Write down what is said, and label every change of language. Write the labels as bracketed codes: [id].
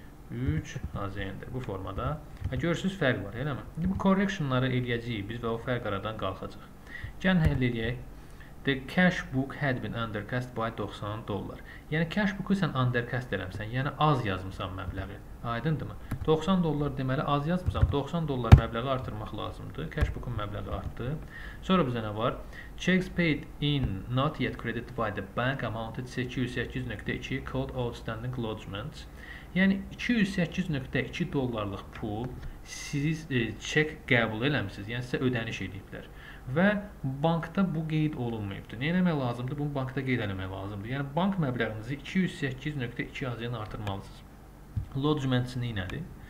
[az] 1112.3 AZN-dir. Bu formada. Görürsünüz, fərq var, elə mi? Bu correction-ları eləyəcəyik biz və o fərq aradan qalxacaq. Gəlin həll eləyək. [en] The cash book had been undercast by 90 dollar. [az] Yəni cash book-u sən undercast eləmsən, yəni az yazmısan məbləği. Aydındır mı? 90 dollar deməli az yazmısan, 90 dollar məbləği artırmaq lazımdır. Cash book-un məbləği artdı. Sonra bizə nə var? [en] Checks paid in not yet credited by the bank amounted 808.2 called outstanding lodgements. [az] Yəni 208.2 dollarlıq pul siz çek qəbul eləmisiniz, yəni sizə ödəniş ediblər. Və bankda bu qeyd olunmayıbdır. Nə eləmək lazımdır? Bunu bankda qeyd eləmək lazımdır. Yəni bank məbləğinizi 208.2 AZN artırmalısınız. Lodgements nədir?